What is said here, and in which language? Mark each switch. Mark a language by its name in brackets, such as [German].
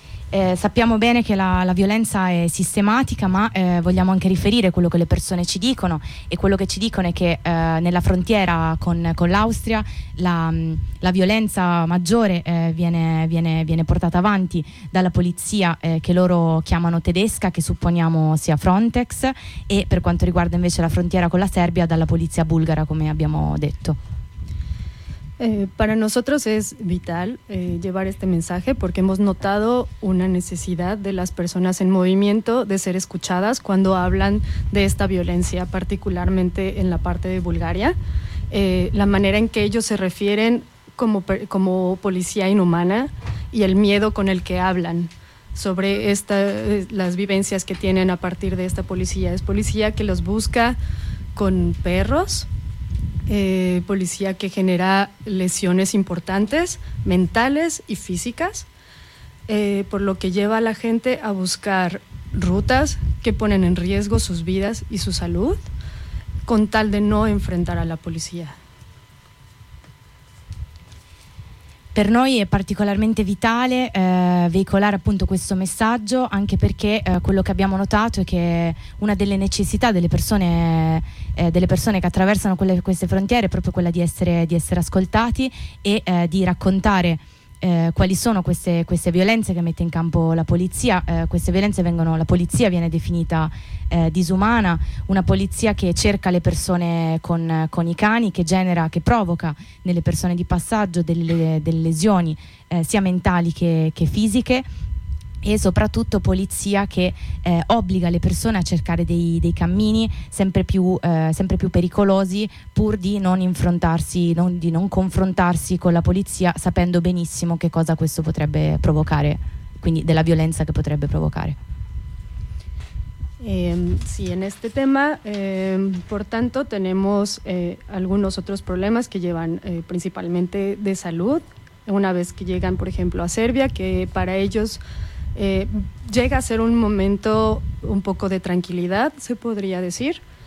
[Italian] Sappiamo bene che la violenza è sistematica, ma vogliamo anche riferire quello che le persone ci dicono, e quello che ci dicono è che nella frontiera con l'Austria la violenza maggiore viene portata avanti dalla polizia che loro chiamano tedesca, che supponiamo sia Frontex, e per quanto riguarda invece la frontiera con la Serbia, dalla polizia bulgara, come abbiamo detto. [Spanish] Para nosotros es vital llevar este mensaje porque hemos notado una necesidad de las personas en movimiento de ser escuchadas cuando hablan de esta violencia, particularmente en la parte de Bulgaria. La manera en que ellos se refieren como policía inhumana, y el miedo con el que hablan sobre las vivencias que tienen a partir de esta policía. Es policía que los busca con perros, policía que genera lesiones importantes, mentales y físicas, por lo que lleva a la gente a buscar rutas que ponen en riesgo sus vidas y su salud, con tal de no enfrentar a la policía. [Italian] Per noi è particolarmente vitale veicolare appunto questo messaggio, anche perché quello che abbiamo notato è che una delle necessità delle persone che attraversano queste frontiere è proprio quella di essere ascoltati e di raccontare quali sono queste violenze che mette in campo la polizia. Queste violenze vengono, la polizia viene definita disumana, una polizia che cerca le persone con i cani, che provoca nelle persone di passaggio delle lesioni sia mentali che fisiche, e soprattutto polizia che obbliga le persone a cercare dei cammini sempre più pericolosi, pur di non confrontarsi con la polizia, sapendo benissimo che cosa questo potrebbe provocare, quindi della violenza che potrebbe provocare. [Spanish] Sì, [Italian] in questo tema, pertanto, [Spanish] tenemos algunos otros problemas que llevan principalmente de salud, una vez que llegan, por ejemplo, a Serbia, que para ellos llega a ser un momento un poco de tranquilidad, se podría decir.